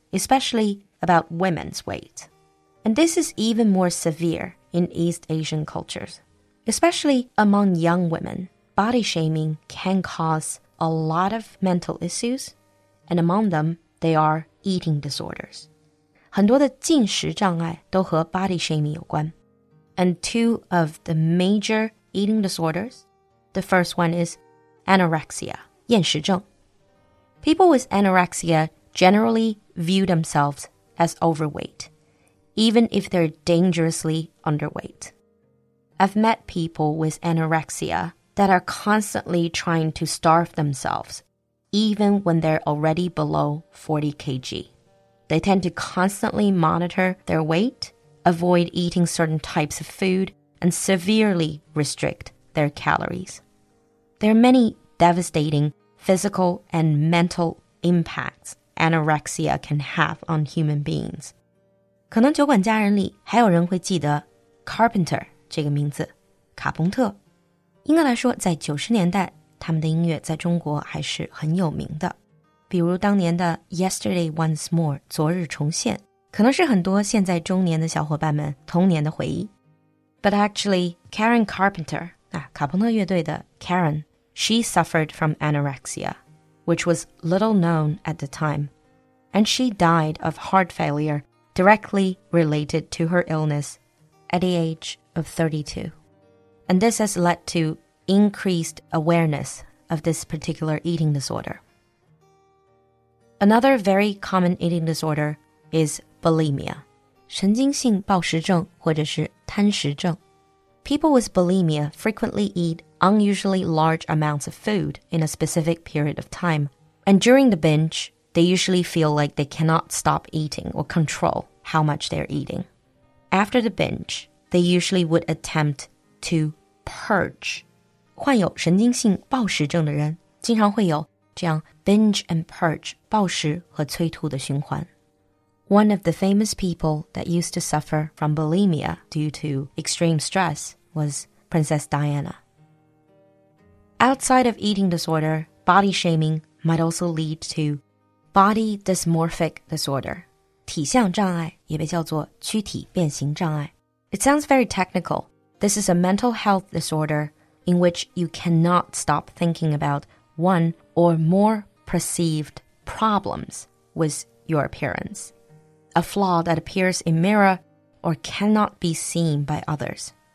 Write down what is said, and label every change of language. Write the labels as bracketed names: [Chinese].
[English] Especially about women's weight. And this is even more severe in East Asian cultures. Especially among young women, body shaming can cause a lot of mental issues, and among them, they are eating disorders. [Chinese] 很多的进食障碍都和 body shaming 有关。 [English] And two of the major eating disorders, the first one is anorexia, [Chinese] 厌食症。 [English] People with anorexia generally... view themselves as overweight, even if they're dangerously underweight. I've met people with anorexia that are constantly trying to starve themselves, even when they're already below 40 kg. They tend to constantly monitor their weight, avoid eating certain types of food, and severely restrict their calories. There are many devastating physical and mental impacts anorexia can have on human beings. [Chinese] 可能酒馆家人里还有人会记得 Carpenter 这个名字，卡彭特。应该来说，在90年代，他们的音乐在中国还是很有名的。比如当年的 Yesterday Once More 昨日重现，可能是很多现在中年的小伙伴们童年的回忆。 [English] But actually, Karen Carpenter, [Chinese] 卡彭特乐队的 Karen, [English] she suffered from anorexia, which was little known at the time, and she died of heart failure directly related to her illness at the age of 32. And this has led to increased awareness of this particular eating disorder. Another very common eating disorder is bulimia. [Chinese] 神经性暴食症或者是贪食症。 [English] People with bulimia frequently eat unusually large amounts of food in a specific period of time. And during the binge, they usually feel like they cannot stop eating or control how much they're eating. After the binge, they usually would attempt to purge. [Chinese] 患有神经性暴食症的人经常会有这样 [English] binge and purge, [Chinese] 暴食和催吐的循环。 [English] One of the famous people that used to suffer from bulimia due to extreme stress was Princess Diana. Outside of eating disorder, body shaming might also lead to body dysmorphic disorder. [Chinese] 体相障碍也被叫做躯体变形障碍。 [English] It sounds very technical. This is a mental health disorder in which you cannot stop thinking about one or more perceived problems with your appearance. A flaw that appears in mirror or cannot be seen by others.